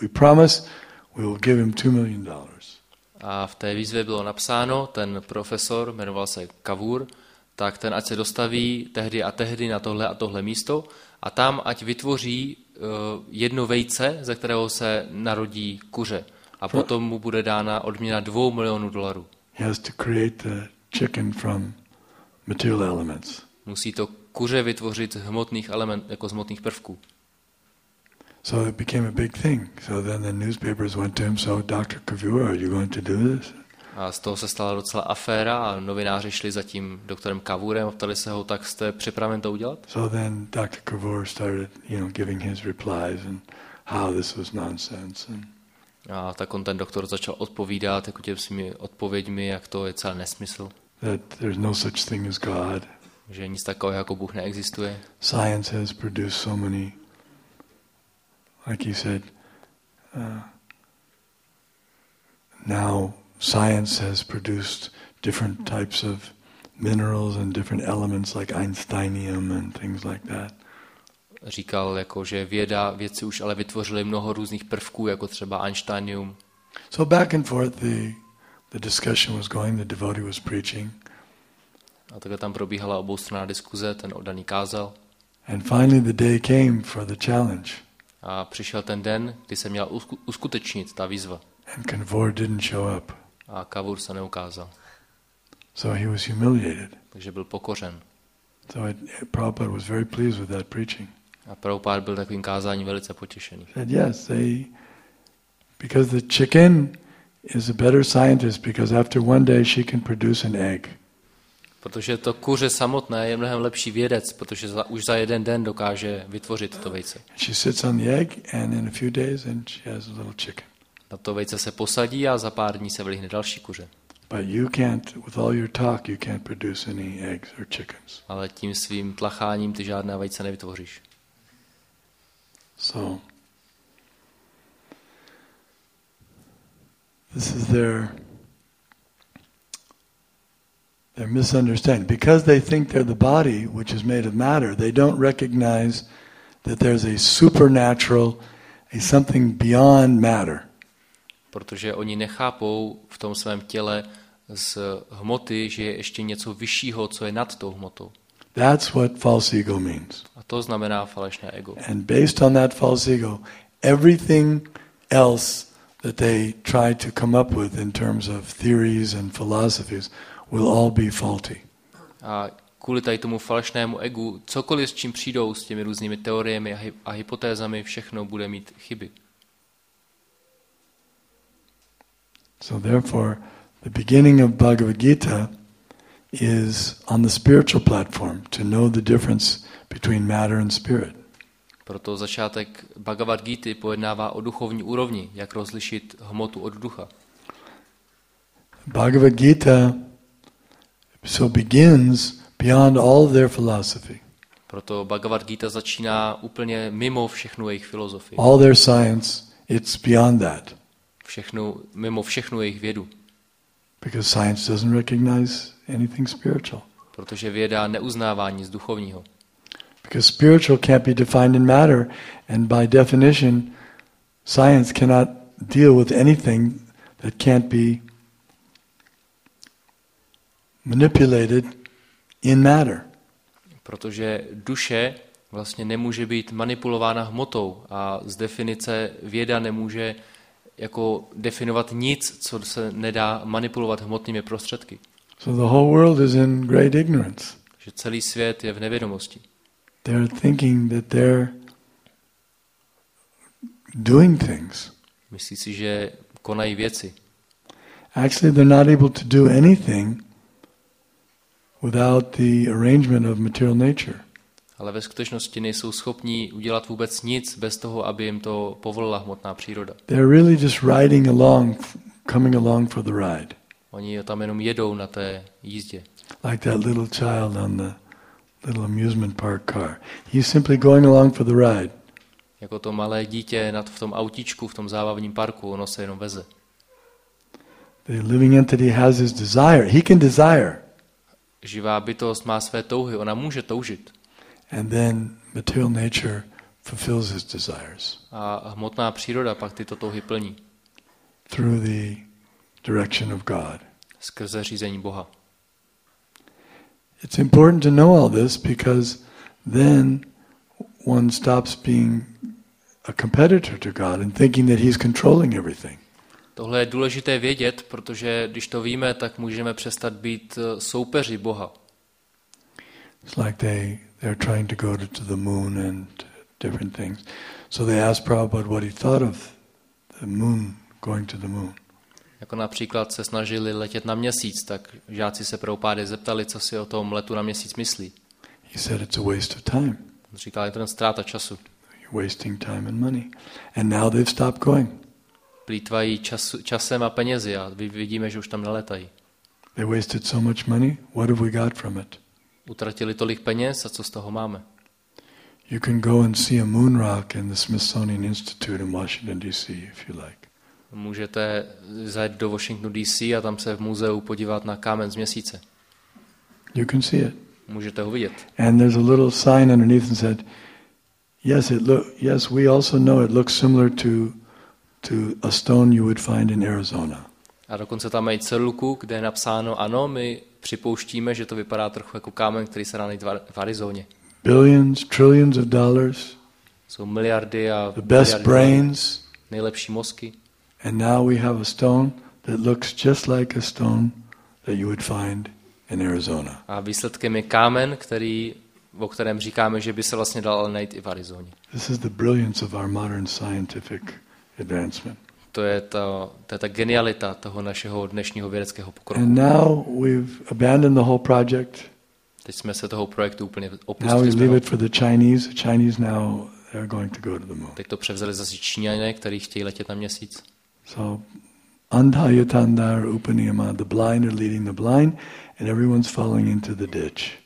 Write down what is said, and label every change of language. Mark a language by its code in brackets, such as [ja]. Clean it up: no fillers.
[en] We promise we will give him $2 million. [cs] A v té výzvě bylo napsáno, ten profesor, jmenoval se Kavur, tak ten ať se dostaví tehdy a tehdy na tohle a tohle místo a tam ať vytvoří jedno vejce, ze kterého se narodí kuře. A potom mu bude dána odměna $2 million. [en] He has to create the chicken from material elements. [cs] Musí to kuře vytvořit hmotných element, jako z hmotných prvků. [en] So it became a big thing. So then the newspapers went to him, so Dr. Kavur, are you going to do this? [cs] A z toho se stala docela aféra a novináři šli za tím doktorem Kavurem a ptali se ho, tak jste připraven to udělat? [en] So then Dr. Kavur started, you know, giving his replies and how this was nonsense. And [cs] a tak on ten doktor začal odpovídat jako těm svými odpověďmi, jak to je celý nesmysl. [en] That there's no such thing as God. [cs] Že nic takového jako Bůh neexistuje. [en] Science has produced so many, like you said, now science has produced different types of minerals and different elements like einsteinium and things like that. [cs] Říkal, jako, že vědci už ale vytvořili mnoho různých prvků, jako třeba einsteinium. [en] So back and forth the discussion was going, the devotee was preaching. [cs] A takhle tam probíhala oboustranná diskuze, ten oddaný kázal. [en] And finally the day came for the challenge. [cs] A přišel ten den, kdy se měla uskutečnit ta výzva. [en] And Kavur didn't show up. [cs] A Kavur se neukázal. [en] So he was humiliated. [cs] Takže byl pokořen. [en] So Prabhupada was very pleased with that preaching. [cs] A Prabhupada byl takovým kázáním velice potěšený. [en] Said yes, because the chicken is a better scientist because after one day she can produce an egg. [cs] Protože to kuře samotné je mnohem lepší vědec, protože už za jeden den dokáže vytvořit to vejce. [en] She sits on the egg and in a few days and she has a little chicken. [cs] Na to vejce se posadí a za pár dní se vylíhne další kuře. [en] But you can't, with all your talk, you can't produce any eggs or chickens. [cs] Ale tím svým tlacháním ty žádná vejce nevytvoříš. [en] So, This is their misunderstanding. Because they think they're the body, which is made of matter, they don't recognize that there's a supernatural, a something beyond matter. [cs] Protože oni nechápou v tom svém těle z hmoty, že je ještě něco vyššího, co je nad tou hmotou. [en] That's what false ego means. [cs] A to znamená falešné ego. [en] And based on that false ego, everything else that they try to come up with in terms of theories and philosophies will all be faulty. [cs] A kvůli tady tomu falešnému egu, cokoliv s čím přijdou, s těmi různými teoriemi a hypotézami, všechno bude mít chyby. [en] So therefore, the beginning of Bhagavad Gita is on the spiritual platform to know the difference between matter and spirit. [cs] Proto začátek Bhagavad Gita pojednává o duchovní úrovni, jak rozlišit hmotu od ducha. [en] Bhagavad Gita so begins beyond all their philosophy. [cs] Proto Bhagavad Gita začíná úplně mimo všechnu jejich filozofii. [en] All their science, it's beyond that. [cs] Všechnu, mimo všechnu jejich vědu. [en] Because science doesn't recognize anything spiritual. [cs] Protože věda neuznává nic duchovního. [en] Because spiritual can't be defined in matter, and by definition, science cannot deal with anything that can't be manipulated in matter. [cs] Protože duše vlastně nemůže být manipulována hmotou a z definice věda nemůže jako definovat nic, co se nedá manipulovat hmotnými prostředky. [en] So the whole world is in great ignorance. [cs] Že celý svět je v nevědomosti. [en] They're thinking that they're doing things. [cs] Myslí si, že konají věci. [en] Actually, they're not able to do anything without the arrangement of material nature. [cs] Ale ve skutečnosti nejsou schopní udělat vůbec nic bez toho, aby jim to povolila hmotná příroda. [en] They're really just riding along, coming along for the ride. [cs] Oni tam jenom jedou na té jízdě. [en] Like that little child on the little amusement park car. He's simply going along for the ride. [cs] Jako to malé dítě nad v tom autíčku v tom zábavním parku, ono se jenom veze. [en] The living entity has his desire. He can desire. [cs] Živá bytost má své touhy, ona může toužit. [en] And then material nature fulfills his desires. [cs] A hmotná příroda pak tyto touhy plní. [en] Through the direction of God. [cs] Skrze řízení Boha. [en] It's important to know all this because then one stops being a competitor to God and thinking that he's controlling everything. [cs] Tohle je důležité vědět, protože když to víme, tak můžeme přestat být soupeři Boha. [en] It's like they're trying to go to the moon and different things. So they asked Prabhupada what he thought of the moon going to the moon. [cs] Jako například se snažili letět na měsíc, tak žáci se Prabhupády zeptali, co si o tom letu na měsíc myslí. [en] He said it's a waste of time. [cs] Říkal, je to jen ztráta času. [en] You're wasting time and money. And now they've stopped going. [cs] Plýtvají časem a penězi a vidíme, že už tam neletají. [en] They wasted so much money. What have we got from it? [cs] Utratili tolik peněz a co z toho máme? [en] You can go and see a moon rock in the Smithsonian Institute in Washington DC if you like. [cs] Můžete zajít do Washington DC a tam se v muzeu podívat na kámen z měsíce. [en] You can see it. [cs] Můžete ho vidět. [en] And there's a little sign underneath and said, yes, it look, yes, we also know it looks similar to a stone you would find in Arizona. [cs] A dokonce tam mají celulku, kde je napsáno, ano, my připouštíme, že to vypadá trochu jako kámen, který se dá najít v Arizóně. [en] Billions, trillions of dollars. [cs] Jsou miliardy a [en] the best brains. [cs] Nejlepší mozky. [en] And now we have a stone that looks just like a stone that you would find in Arizona. [cs] A výsledkem je kámen, který, o kterém říkáme, že by se vlastně dal najít i v Arizóně. [en] This is the brilliance of our modern scientific advancement. [cs] To je ta genialita toho našeho dnešního vědeckého pokroku. [en] And now we've abandoned the whole project. [cs] Teď jsme se toho projektu úplně opustili. [en] Now we leave it for the Chinese. The Chinese now they're going to go to the moon. [cs] Teď to převzali zase Číňané, kteří chtějí letět na měsíc. [en] So [sa] Andhayatandar Upaniyama, [en] the blind are leading the blind and everyone's falling into the ditch.